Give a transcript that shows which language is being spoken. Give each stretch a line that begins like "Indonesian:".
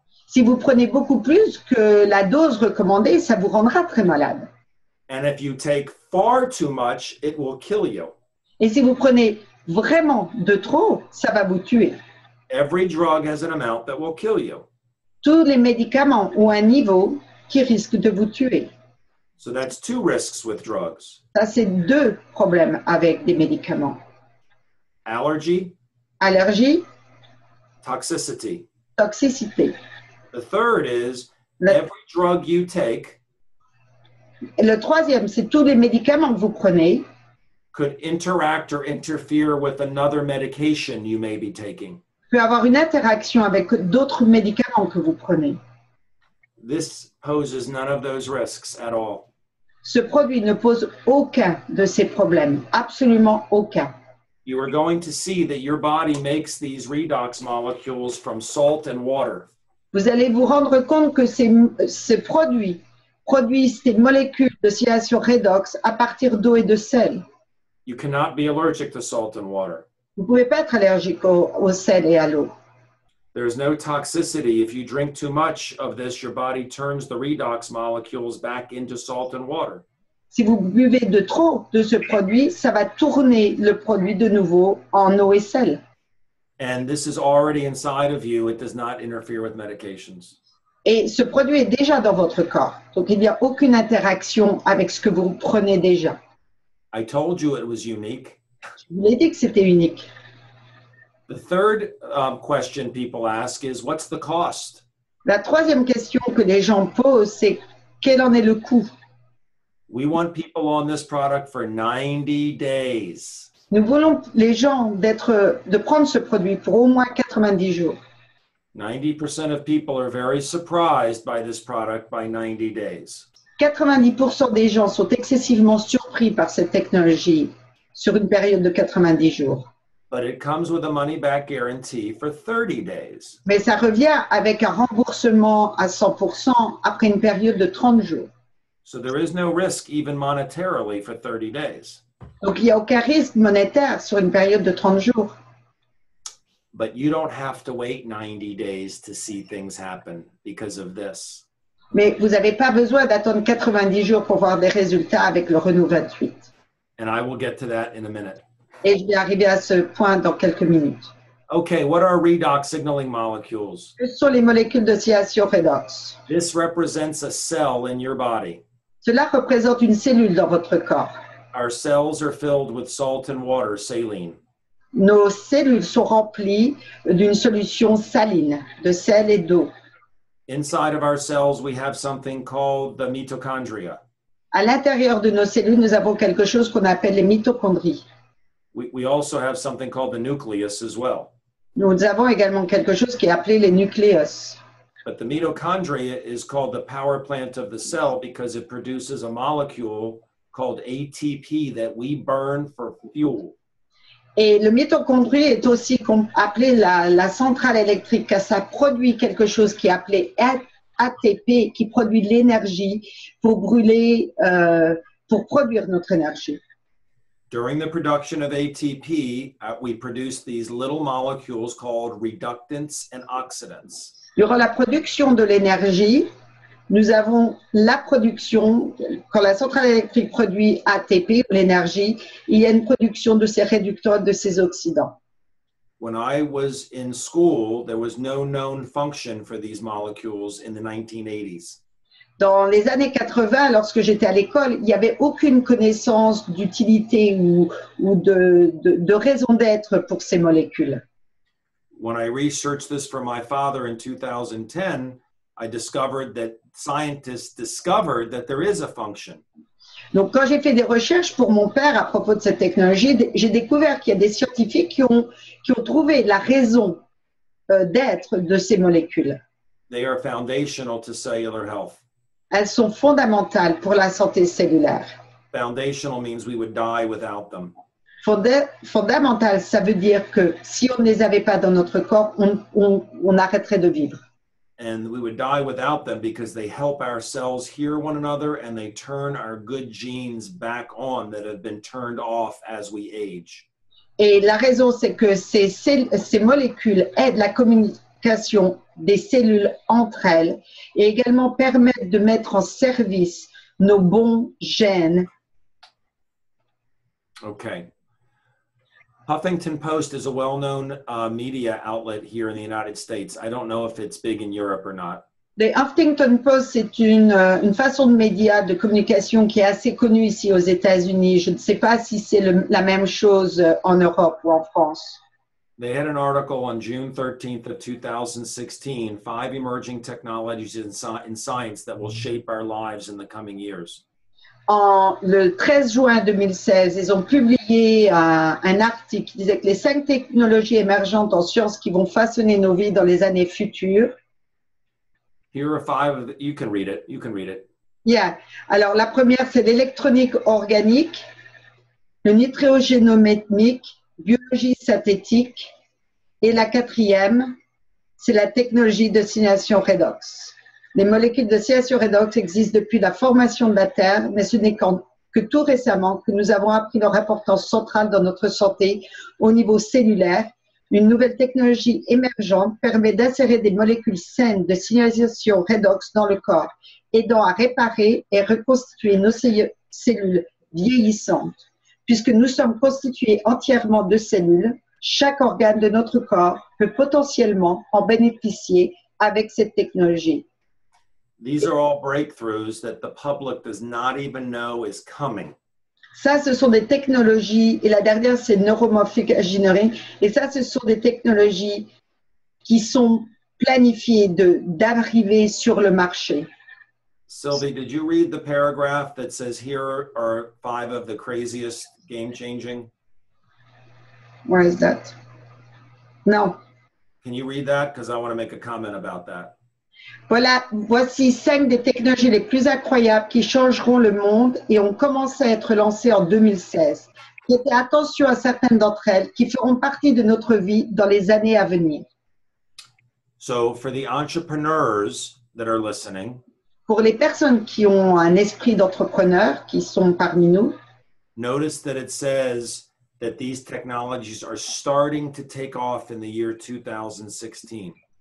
French: Si vous prenez beaucoup plus que la dose recommandée, ça vous rendra très malade.
English: And if you take far too much, it will kill you.
French: Et si vous prenez vraiment de trop, ça va vous tuer.
English: Every drug has an amount that will kill you.
French: Tous les médicaments ont un niveau qui risque de vous tuer.
English: So that's two risks with drugs.
French: Ça, c'est deux problèmes avec des médicaments.
English: Allergy. Allergy. Toxicity.
French: Toxicité.
English: The third is every drug you take.
French: Le troisième, c'est tous les médicaments que vous prenez.
English: Could interact or interfere with another medication you may be taking.
French: Peut avoir une interaction avec d'autres médicaments que vous prenez.
English: This poses none of those risks at all.
French: Ce produit ne pose aucun de ces problèmes, absolument aucun.
English: You are going to see that your body makes these redox molecules from salt and water.
French: Vous allez vous rendre compte que ces produits produisent ces molécules de signalisation redox à partir d'eau et de sel.
English: You cannot be allergic to salt and water.
French: Vous pouvez pas être allergique au sel et à l'eau.
English: There is no toxicity. If you drink too much of this, your body turns the redox molecules back into salt and water.
French: Si vous buvez de trop de ce produit, ça va tourner le produit de nouveau en eau et sel.
English: And this is already inside of you. It does not interfere with medications.
French: Et ce produit est déjà dans votre corps. Donc il n'y a aucune interaction avec ce que vous prenez déjà.
English: I told you it was unique.
French: Je vous l'ai dit que c'était unique.
English: The third question people ask is, what's the cost?
French: La troisième question que les gens posent, c'est quel en est le coût?
English: We want people on this product for 90 days.
French: Nous voulons les gens de prendre ce produit pour au moins 90 jours.
English: 90% of people are very surprised by this product by 90 days.
French: 90% des gens sont excessivement surpris par cette technologie sur une période de 90 jours.
English: But it comes with a money back guarantee for 30 days.
French: Mais ça revient avec un remboursement à 100% après une période de 30 jours.
English: So there is no risk even monetarily for 30 days.
French: Donc il n'y a aucun risque monétaire sur une période de 30 jours.
English: But you don't have to wait 90 days to see things happen because of this.
French: Mais vous n'avez pas besoin d'attendre 90 jours pour voir des résultats avec le renouvellement gratuit.
English: And I will get to that in a minute.
French: Et je vais arriver à ce point dans quelques minutes.
English: Okay, what are redox signaling molecules?
French: Ce sont les molécules de signalisation redox.
English: This represents a cell in your body.
French: Cela représente une cellule dans votre corps.
English: Our cells are filled with salt and water, saline.
French: Nos cellules sont remplies d'une solution saline, de sel et d'eau.
English: Inside of our cells, we have something called the mitochondria.
French: À l'intérieur de nos cellules, nous avons quelque chose qu'on appelle les mitochondries.
English: We also have something called the nucleus as well.
French: Nous avons également quelque chose qui est appelé les nucleus.
English: But the mitochondria is called the power plant of the cell because it produces a molecule called ATP that we burn for fuel.
French: Et le mitochondrie est aussi appelé la centrale électrique car ça produit quelque chose qui est appelé ATP qui produit l'énergie pour brûler, pour produire notre énergie.
English: During the production of ATP, we produce these little molecules called reductants and oxidants.
French: Durant la production de l'énergie, nous avons la production, quand la centrale électrique produit ATP, l'énergie, il y a une production de ces réducteurs, de ces oxydants.
English: When I was in school, there was no known function for these molecules in the 1980s.
French: Dans les années 80, lorsque j'étais à l'école, il n'y avait aucune connaissance d'utilité ou de raison d'être pour ces molécules.
English: When I researched this for my father in 2010, I discovered that scientists discovered that there is a function.
French: Donc, quand j'ai fait des recherches pour mon père à propos de cette technologie, j'ai découvert qu'il y a des scientifiques qui ont trouvé la raison d'être de ces molécules.
English: They are foundational to cellular health.
French: Elles sont fondamentales pour la santé cellulaire.
English: Foundational means we would die without them.
French: Fondamental, ça veut dire que si on ne les avait pas dans notre corps, on arrêterait de vivre.
English: And we would die without them because they help our cells hear one another and they turn our good genes back on that have been turned off as we age.
French: Et la raison, c'est que ces molécules aident la communication des cellules entre elles et également permettent de mettre en service nos bons gènes.
English: Okay. Huffington Post is a well-known media outlet here in the United States. I don't know if it's big in Europe or not.
French: The Huffington Post est une façon de média de communication qui est assez connue ici aux États-Unis. Je ne sais pas si c'est la même chose en Europe ou en France.
English: They had an article on June 13th of 2016, five emerging technologies in science that will shape our lives in the coming years.
French: En le 13 juin 2016, ils ont publié un article qui disait que les cinq technologies émergentes en sciences qui vont façonner nos vies dans les années futures.
English: Here are five of the, you can read it. You can read it. Yeah.
French: Alors, la première, c'est l'électronique organique, le nitrogénométrique, biologie synthétique, et la quatrième, c'est la technologie d'oscillation redox. Les molécules de CSU Redox existent depuis la formation de la Terre, mais ce n'est que tout récemment que nous avons appris leur importance centrale dans notre santé au niveau cellulaire. Une nouvelle technologie émergente permet d'insérer des molécules saines de signalisation Redox dans le corps, aidant à réparer et reconstituer nos cellules vieillissantes. Puisque nous sommes constitués entièrement de cellules, chaque organe de notre corps peut potentiellement en bénéficier avec cette technologie.
English: These are all breakthroughs that the public does not even know is coming.
French: Ça, ce sont des technologies, et la dernière, c'est neuromorphic engineering, et ça, ce sont des technologies qui sont planifiées d'arriver sur le marché.
English: Sylvie, did you read the paragraph that says here are five of the craziest game-changing? Where is that? No. Can you read that? Because I want to make a comment about that.
French: Voilà, voici cinq des technologies les plus incroyables qui changeront le monde et ont commencé à être lancées en 2016. Faites attention à certaines d'entre elles qui feront partie de notre vie dans les années à venir.
English: So, for the entrepreneurs that are listening,
French: pour les personnes qui ont un esprit d'entrepreneur qui sont parmi nous,
English: notice that it says that these technologies are starting to take off in the year 2016.